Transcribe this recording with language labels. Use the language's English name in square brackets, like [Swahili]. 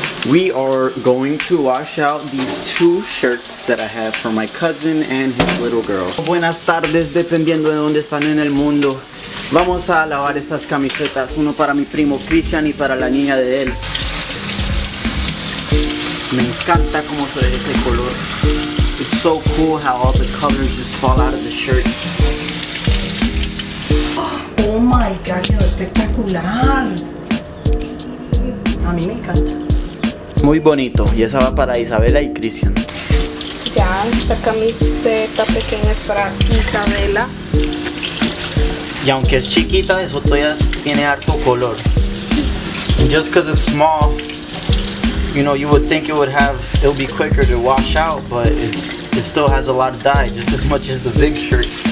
[English] We are going to wash out these two shirts that I have for my cousin and his little girl. [Spanish] Buenas tardes, dependiendo de donde están en el mundo. Vamos a lavar estas camisetas, uno para mi primo Christian y para la niña de él. Me encanta cómo se ve ese color. [English] It's so cool how all the colors just fall out of the shirt. Oh my god, [Spanish] quedó espectacular. A mí me encanta. Muy bonito, y esa va para Isabela y Christian. Ya, esta camiseta pequeña es para Isabela. Y aunque es chiquita, eso todavía tiene harto color. [English] Just because it's small, you know, you would think it would be quicker to wash out, but it still has a lot of dye, just as much as the big shirt.